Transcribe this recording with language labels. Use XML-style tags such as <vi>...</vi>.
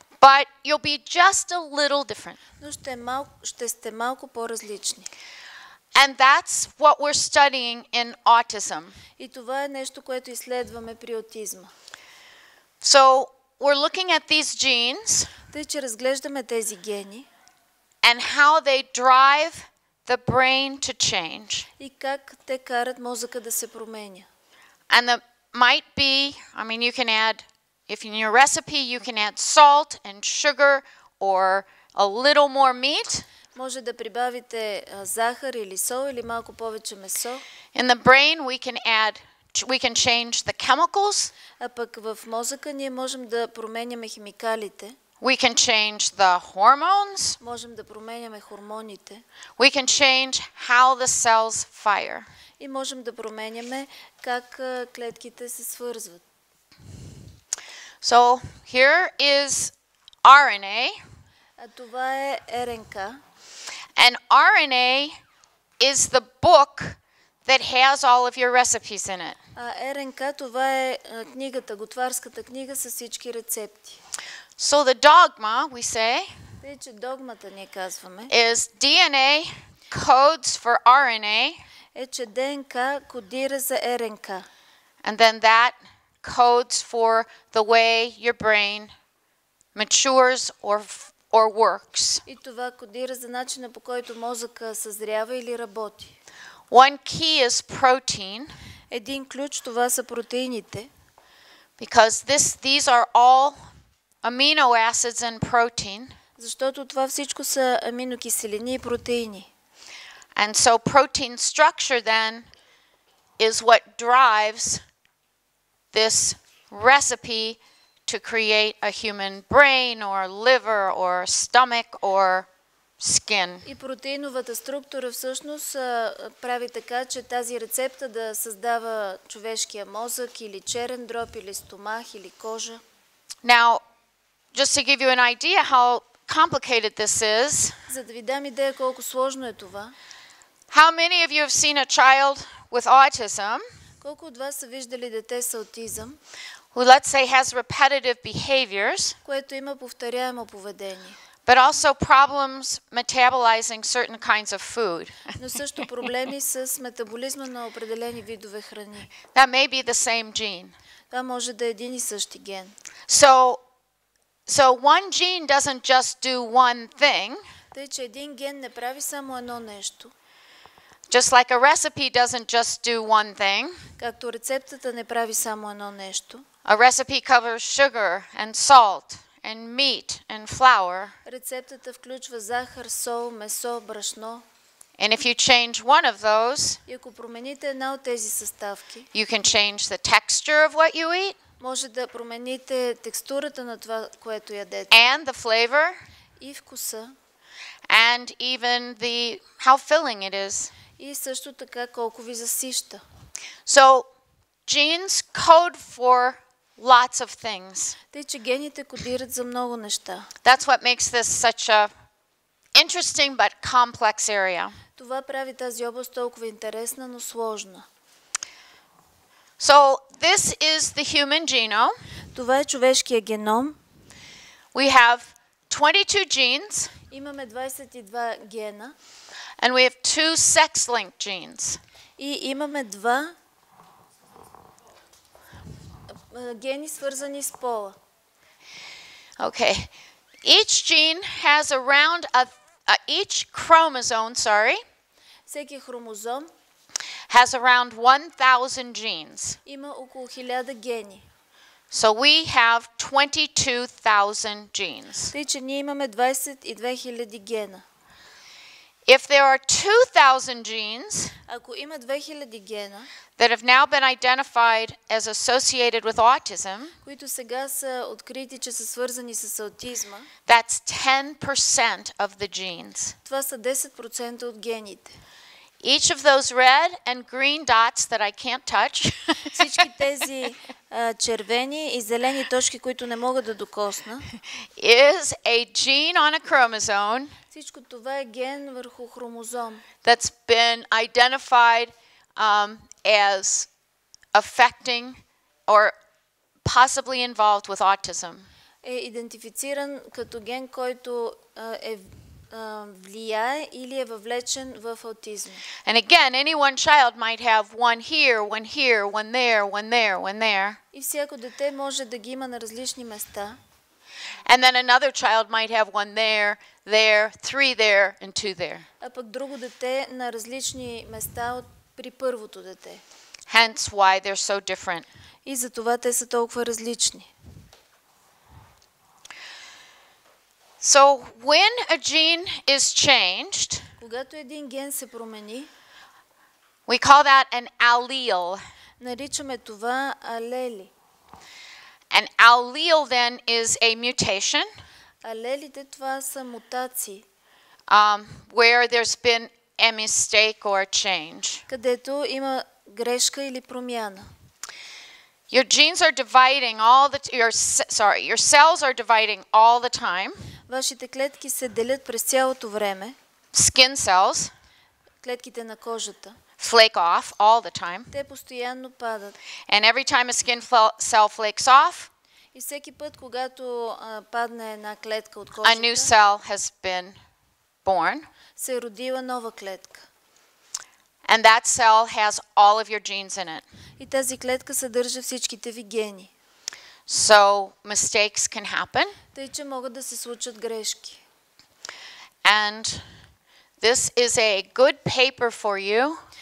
<en>But you'll be just a little different.</en> <bg>Но ще сте малко по-различни.</bg> <en>And that's what we're studying in autism.</en> <bg>И това е нещо, което изследваме при аутизма.</bg> <en>So we're looking at these genes.</en> <bg>Тъй, че разглеждаме тези гени.</bg> <en>And how they drive the brain to change.</en> <bg>И как те карат мозъка да се променя.</bg> <en>And that might be, I mean, you can add, if in your recipe you can add salt and sugar or a little more meat.</en> <bg>Може да прибавите захар или сол или малко повече месо.</bg> <en>In the brain we can add, we can change the chemicals.</en> <bg>А пък в мозъка ние можем да променяме химикалите.</bg> <en>We can change the hormones.</en> <bg>Можем да променяме хормоните.</bg> <en>We can change how the cells fire.</en> <bg>И можем да променяме как клетките се свързват.</bg> <en>So here is RNA.</en> <bg>А това е РНК.</bg> <en>And RNA is the book that has all of your recipes in it.</en> <bg>А РНК това е книгата, готварската книга с всички рецепти.</bg> <en>So the dogma, we say, is DNA codes for RNA.</en> <bg>Е, че ДНК кодира за РНК.</bg> <en>And then that codes for the way your brain matures or works.</en> <bg>И това кодира за начина, по който мозъка съзрява или работи.</bg> <en>One key is protein.</en> <bg>Един ключ, това са протеините.</bg> <en>Because these are all amino acids and protein.</en> <bg>Защото това всичко са аминокиселини и протеини.</bg> <en>And so protein structure then is what drives this recipe to create a human brain or liver or stomach or skin.</en> <bg>И протеиновата структура всъщност прави така, че тази рецепта да създава човешкия мозък или черен дроб или стомах или кожа.</bg> <en>Now, just to give you an idea how complicated this is.</en> <bg>За да ви дам идея колко сложно е това.</bg> <en>How many of you have seen a child with autism?</en> <bg>Колко от вас са виждали дете с аутизъм?</bg> <en>Who, let's say, has repetitive behaviors?</en> <bg>Което има повторяемо поведение.</bg> <en>But also problems metabolizing certain kinds of food.</en> <bg>Но също проблеми с метаболизма на определени видове храни.</bg> <en>That may be the same gene.</en> <bg>Това може да е един и същи ген.</bg> <en>So one gene doesn't just do one thing.</en> <bg>Тъй, че един ген не прави само едно нещо.</bg> <en>Just like a recipe doesn't just do one thing.</en> <bg>Както рецептата не прави само едно нещо.</bg> <en>A recipe covers sugar and salt and meat and flour.</en> <bg>Рецептата включва захар, сол, месо, брашно.</bg> <en>And if you change one of those,</en> <bg>и ако промените една от тези съставки,</bg> <en>you can change the texture of what you eat.</en> <bg>Може да промените текстурата на това, което ядете.</bg> <en>And the flavor.</en> <bg>И вкуса.</bg> <en>And even the how filling it is.</en> <bg>И също така колко ви засища.</bg> <en>So genes code for lots of things.</en> <bg>Тъй, че гените кодират за много неща.</bg> <en>That's what makes this such a interesting but complex area.</en> <bg>Това прави тази област толкова интересна, но сложна.</bg> <en>So this is the human genome.</en> <bg>Това е човешкия геном.</bg> <en>We have 22 genes.</en> <bg>Имаме 22 гена.</bg> <en>And we have two sex-linked genes.</en> <bg>И имаме два гени, свързани с пола.</bg> <en>Okay. Each gene has around each chromosome, sorry.</en> <bg>Всеки хромозом</bg> <en>has around 1000 genes.</en> <bg>Има около 1000 гени.</bg> <en>So we have 22,000 genes.</en> <bg>Тъй, че ние имаме 22,000 гена.</bg> <en>If there are 2000 genes,</en> <bg>ако има 2000 гена,</bg> <en>that have now been identified as associated with autism,</en> <bg>които сега са открити, че са свързани с аутизма,</bg> <en>that's 10% of the genes.</en> <bg>Това са 10% от гените.</bg> <en>Each of those red and green dots that I can't touch.</en> <bg>Всички тези червени и зелени точки, които не мога да докосна.</bg> <en>Is a gene on a chromosome.</en> <bg>Всичко това е ген върху хромозом.</bg> <en>That's been identified as affecting or possibly involved with autism.</en> <bg>Е идентифициран като ген, който е влияе или е въвлечен в аутизъм.</bg> <en>And again, any one child might have one here, one here, one there, one there, one there.</en> <bg>И всяко дете може да ги има на различни места.</bg> <en>And then another child might have one there, there, three there and two there.</en> <bg>А пък друго дете на различни места от при първото дете.</bg> <en>Hence why they're so different.</en> <bg>И затова те са толкова различни.</bg> <en>So when a gene is changed,</en> <bg>когато един ген се промени,</bg> <en>we call that an allele.</en> <bg>Наричаме това алели.</bg> <en>An allele then is a mutation.</en> <bg>Алелите това са мутации.</bg> <en>Where there's been a mistake or a change.</en> <bg>Където има грешка или промяна.</bg> <en>Your genes are dividing all the your cells are dividing all the time.</en> <bg>Вашите клетки се делят през цялото време.</bg> <en>Skin cells.</en> <bg>Клетките на кожата.</bg> <en>Flake off all the time.</en> <bg>Те постоянно падат.</bg> <en>And every time a skin cell flakes off,</en> <bg>И всеки път, когато падне една клетка от кожата,</bg> <en>a new cell has been born.</en> <bg>Се родила нова клетка.</bg> <en>And that cell has all of your genes in it.</en> <bg>И тази клетка съдържа всичките ви гени.</bg> <en>So mistakes can happen.</en> <bg>Тъй, че могат да се случат грешки.</bg> <en>And this is a good paper for you.</en>